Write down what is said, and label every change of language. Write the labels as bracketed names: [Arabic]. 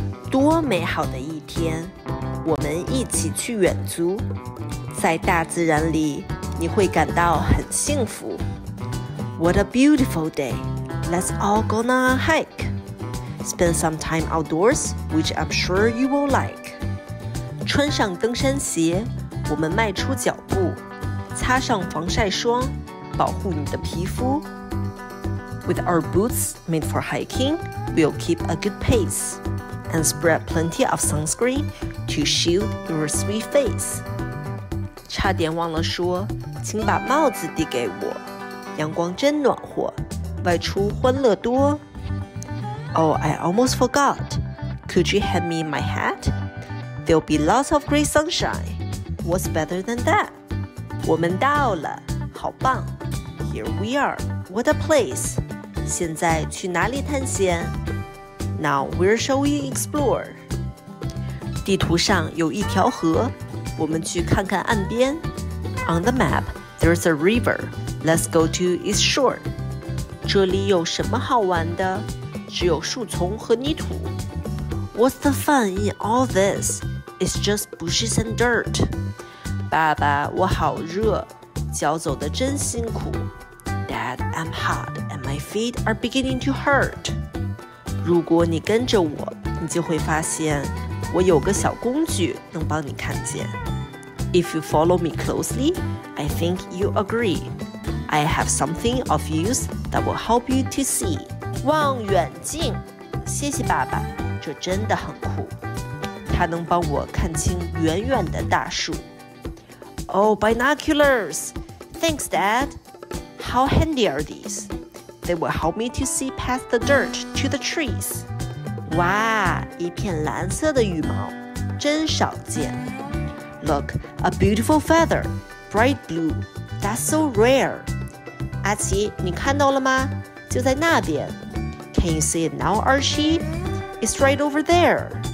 [Chinese] 多美好的一天，我们一起去远足。在大自然里，你会感到很幸福。 [English] What a beautiful day. Let's all go on a hike. Spend some time outdoors, which I'm sure you will like. [Chinese] 穿上登山鞋，我们迈出脚步，擦上防晒霜，保护你的皮肤。 [English] With our boots made for hiking, we'll keep a good pace and spread plenty of sunscreen to shield your sweet face. [Chinese] 差点忘了说，请把帽子递给我。阳光真暖和，外出欢乐多。 [English] Oh, I almost forgot. Could you hand me my hat? There'll be lots of great sunshine. What's better than that? [Chinese] 我们到了，好棒。 [English] Here we are. What a place. [Chinese] 现在去哪里探险？ [English] Now, where shall we explore? [Chinese] 地图上有一条河，我们去看看岸边。 [English] On the map, there's a river. Let's go to its shore. [Chinese] 这里有什么好玩的？只有树丛和泥土。 [English] What's the fun in all this? It's just bushes and dirt. [Chinese] 爸爸，我好热，脚走得真辛苦。 [English] Dad, I'm hot and my feet are beginning to hurt. [Chinese] 如果你跟着我，你就会发现我有个小工具能帮你看见。 [English] If you follow me closely, I think you agree. I have something of use that will help you to see. [Chinese] 望远镜，谢谢爸爸，这真的很酷。它能帮我看清远远的大树。 [English] Oh, binoculars! Thanks, Dad. How handy are these? They will help me to see past the dirt to the trees. [Chinese] 哇，一片蓝色的羽毛，真少见。 [English] Look, a beautiful feather, bright blue. That's so rare. [Chinese] 阿奇，你看到了吗？就在那边。 [English] Can you see it now, Archie? It's right over there.